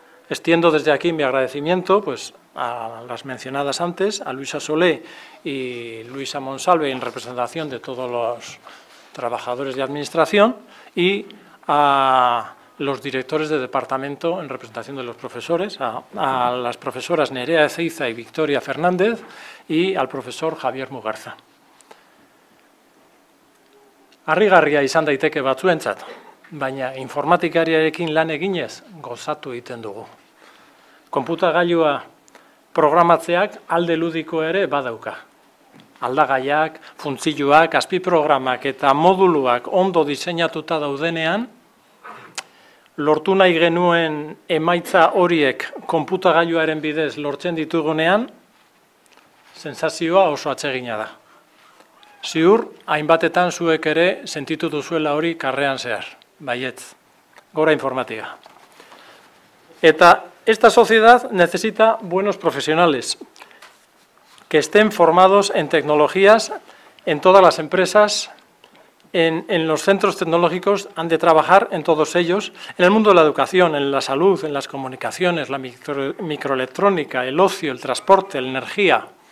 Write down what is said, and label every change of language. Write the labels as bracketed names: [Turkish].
[Spanish] Extiendo desde aquí mi agradecimiento pues, a las mencionadas antes, a Luisa Solé y Luisa Monsalve en representación de todos los trabajadores de administración y a los directores de departamento en representación de los profesores, a las profesoras Nerea Ezeiza y Victoria Fernández y al profesor Javier Mugarza. [Basque] Harrigarria izan daiteke batzuentzat, baina informatikariarekin lan eginez gozatu egiten dugu. Konputagailua programatzeak alde ludikoa ere badauka. Aldagaiak, funtzioak, azpiprogramak eta moduluak ondo diseinatuta daudenean, lortu nahi genuen emaitza horiek konputagailuaren bidez lortzen ditugunean, sensazioa oso atsegina da. Ziur, hainbatetan zuek ere sentitu duzuela hori karrean zehar. Baietz, gora informatika. Eta [Spanish] esta sociedad necesita buenos profesionales que estén formados en tecnologías, en todas las empresas, en los centros tecnológicos, han de trabajar en todos ellos, en el mundo de la educación, en la salud, en las comunicaciones, la microelectrónica, el ocio, el transporte, la energía.